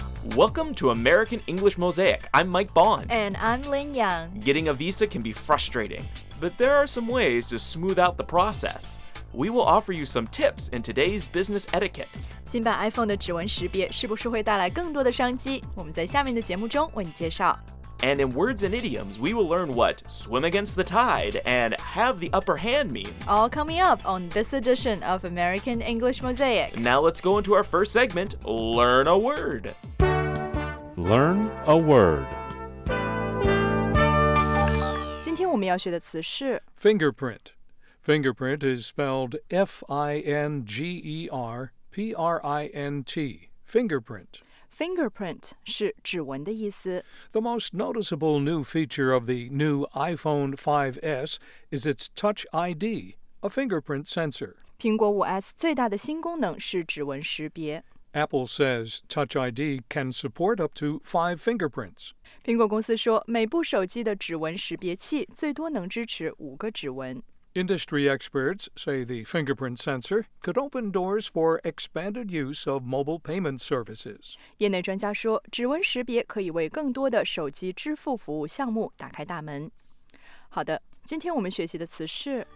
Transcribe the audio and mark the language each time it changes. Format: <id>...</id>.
<en>Welcome to American English Mosaic. I'm Mike Bond. And I'm Lin Yang. Getting a visa can be frustrating, but there are some ways to smooth out the process. We will offer you some tips in today's business etiquette.</en> <zh>新版 iPhone 的指纹识别是不是会带来更多的商机？我们在下面的节目中为你介绍。</zh> <en>And in words and idioms, we will learn what swim against the tide and have the upper hand means. All coming up on this edition of American English Mosaic. Now let's go into our first segment, Learn a Word. Learn a Word.</en> <zh>今天我们要学的词是</zh> <en>Fingerprint. Fingerprint is spelled F-I-N-G-E-R-P-R-I-N-T. Fingerprint.</en> <zh>Fingerprint 是指纹的意思。</zh> <en>The most noticeable new feature of the new iPhone 5S is its Touch ID, a fingerprint sensor.</en> <zh>苹果 5S 最大的新功能是指纹识别。</zh> <en>Apple says Touch ID can support up to 5 fingerprints.</en> <zh>苹果公司说每部手机的指纹识别器最多能支持五个指纹。</zh> <en>Industry experts say the fingerprint sensor could open doors for expanded use of mobile payment services.</en> <zh>业内专家说，指纹识别可以为更多的手机支付服务项目打开大门。好的，今天我们学习的词是</zh>